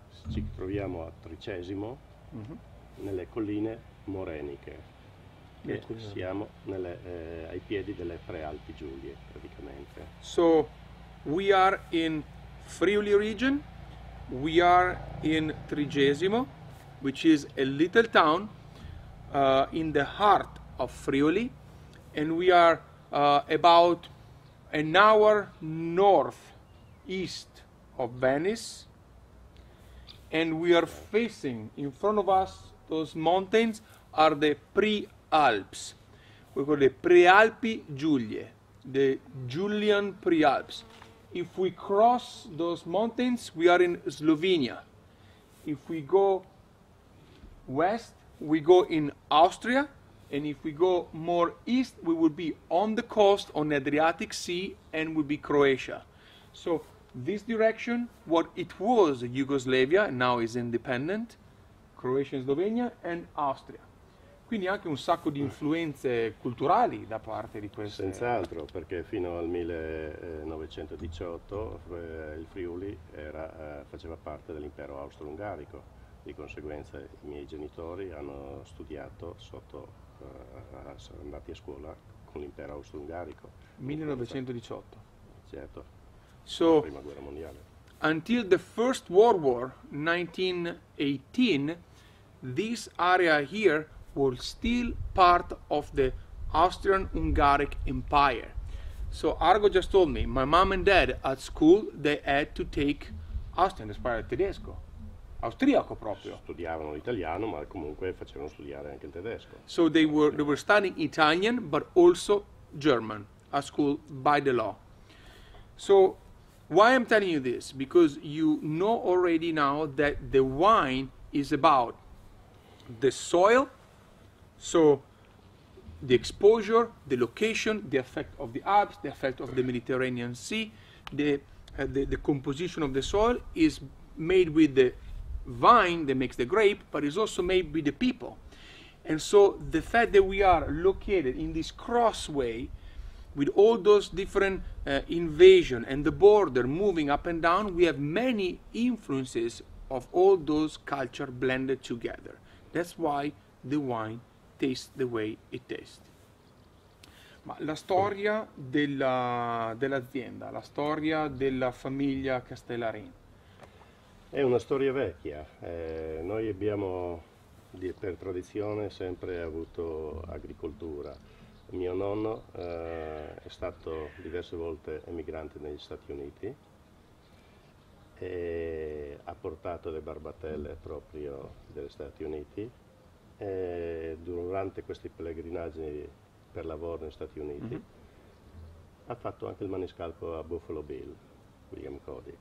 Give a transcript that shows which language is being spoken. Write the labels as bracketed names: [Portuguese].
[Italian] Ci troviamo a Tricesimo, nelle colline moreniche, che siamo ai piedi delle Prealpi Giulie, praticamente. [English] So, we are in Friuli region, we are in Tricesimo, which is a little town in the heart of Friuli, and we are about an hour northeast of Venice. And we are facing, in front of us, those mountains are the Prealps. We call the Prealpi Giulie, the Julian Prealps. If we cross those mountains, we are in Slovenia. If we go west, we go in Austria. And if we go more east, we will be on the coast, on the Adriatic Sea, and will be Croatia. So, this direction, what it was Yugoslavia, now is independent, Croatia and Slovenia, and Austria. [Italian] Quindi anche un sacco di influenze culturali da parte di queste. Senz'altro, perché fino al 1918 il Friuli faceva parte dell'impero austro-ungarico. Di conseguenza i miei genitori hanno studiato sotto, sono andati a scuola con l'impero austro-ungarico. 1918. Certo. [English] So, until the First World War, 1918, this area here was still part of the Austrian-Hungaric Empire. So, Argo just told me, my mom and dad at school, they had to take Austrian, Spanish, tedesco. [Italian] Austriaco proprio. Studiavano l'italiano, ma comunque facevano studiare anche il tedesco. [English] So, they were studying Italian, but also German at school by the law. So, why I'm telling you this? Because you know already now that the wine is about the soil, so the exposure, the location, the effect of the Alps, the effect of the Mediterranean Sea, the composition of the soil is made with the vine that makes the grape, but it's also made with the people. And so the fact that we are located in this crossway with all those different invasion and the border moving up and down, we have many influences of all those culture blended together. That's why the wine tastes the way it tastes. [Italian] Ma la storia dell'azienda, la storia della famiglia Castellarin. È una storia vecchia. Noi abbiamo per tradizione sempre avuto agricoltura. Mio nonno è stato diverse volte emigrante negli Stati Uniti e ha portato le barbatelle proprio degli Stati Uniti e durante questi pellegrinaggi per lavoro negli Stati Uniti ha fatto anche il maniscalco a Buffalo Bill, William Cody.